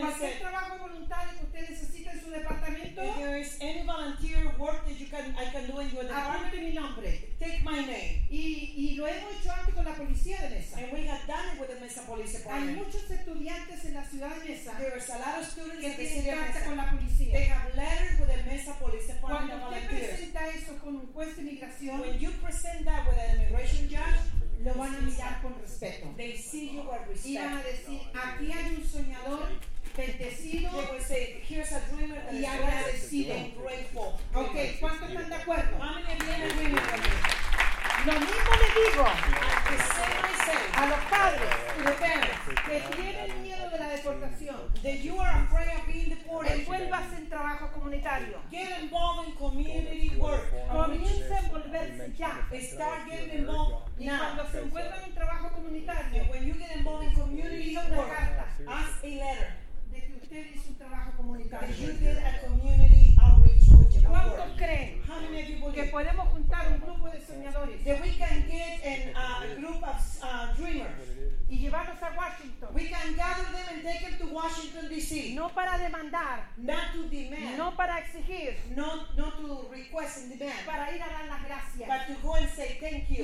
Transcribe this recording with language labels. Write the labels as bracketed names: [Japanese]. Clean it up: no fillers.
[Spanish] cualquier trabajo voluntario que usted necesite en su departamento, [English] if there is any volunteer work that you can, I can do in your department, [Spanish] apunte mi nombre, [English] take my name, [Spanish] y lo hemos hecho antes con la policía de Mesa, [English] and we have done it with the Mesa Police Department. [Spanish] Hay muchos estudiantes en la ciudad de Mesa. [English] There is a lot of students [Spanish] que [English] in the city of Mesa. [Spanish] Con la policía. [English] They have letters with the Mesa Police Department. [Spanish] Cuando usted presenta eso con un juez de inmigración, [English] when you present that with an immigration judge, [Spanish] lo van a mirar con respeto. [English] They see you with respect. [Spanish] Y van a decir, aquí hay un soñador bendecido, [English] they will say, here's a dreamer that [Spanish] y agradecido. [English] And grateful. [Spanish] Okay, ¿cuántos están de acuerdo? [English] How many of you are agreeing? [Spanish] Lo mismo le digo a los padres que tienen miedo de la deportación. [English] That you are afraid of being deported. [Spanish] Envuélvase en trabajo comunitario. [English] Get involved in community work. [Spanish] Comience a envolverse ya, [English] start getting involved now. [Spanish] Y cuando se encuentran en trabajo comunitario, [English] when you get involved in community work, ask a letter. [Spanish] De que usted hizo un trabajo comunitario. [English] You did a community outreach with your work. [Spanish] ¿Cuántos creen que podemos juntar un grupo de soñadores? [English] That we can get a group of dreamers. [Spanish] Y llevarlos a Washington. [English] We can gather them and take them to Washington D.C. [Spanish] No para demandar. [English] Not to demand. [Spanish] No para exigir. [English] Not to request and demand. [Spanish] Para ir a dar las gracias. [English] But to go and say thank you.